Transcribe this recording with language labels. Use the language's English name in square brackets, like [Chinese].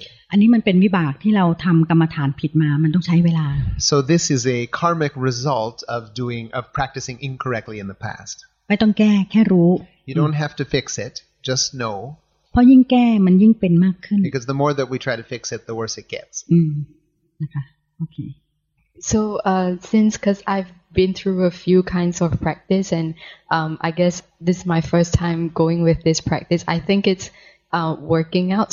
[Thai] อันนี้มันเป็นวิบากที่เราทำกรรมฐานผิดมามันต้องใช้เวลา [English] So this is a karmic result of practicing incorrectly in the past [Thai] ไม่ต้องแก้แค่รู้ [English] You don't have to fix it just know [Thai] เพราะยิ่งแก้มันยิ่งเป็นมากขึ้น [English] Because the more that we try to fix it the worse it gets So since because I've been through a few kinds of practice and I guess this is my first time going with this practice, I think it's working out.